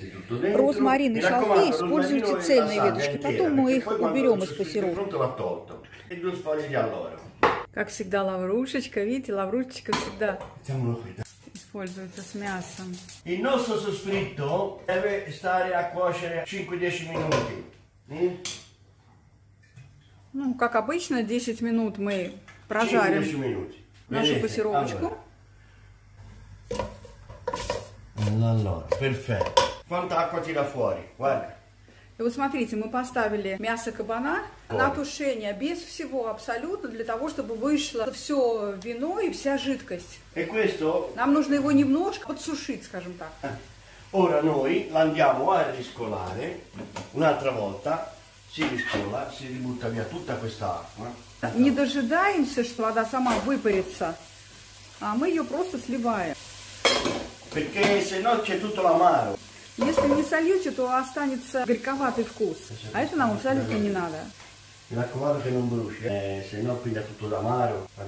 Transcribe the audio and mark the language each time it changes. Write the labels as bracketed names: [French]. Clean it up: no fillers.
[Russian] Розмарин и шалфей используйте цельные веточки, потом мы их уберем из пассировки. Как всегда, лаврушечка, видите, лаврушечка всегда используется с мясом. [Italian] Il nostro soffritto deve stare a cuocere 5-10 minuti. [Russian] Ну, как обычно, 10 минут мы прожарим нашу пассировочку. [Italian] Allora, perfetto. Quanta acqua tira fuori? Guarda. [Russian] И вот смотрите, мы поставили мясо кабана на тушение без всего абсолютно для того, чтобы вышло все вино и вся жидкость. [Italian] E questo? [Russian] Нам нужно его немножко подсушить, скажем так. [Italian] Ora noi andiamo a riscolare un'altra volta. Si riscola, si ributta via tutta questa acqua. [Russian] Не дожидаемся, что вода сама выпарится, а мы ее просто сливаем. [Italian] Perché se no c'è tutto l'amaro. [Russian] Если не сольете, то останется горьковатый вкус. А это нам абсолютно не надо. [Italian] Mi raccomando che non bruci, se no piglia tutto l'amaro.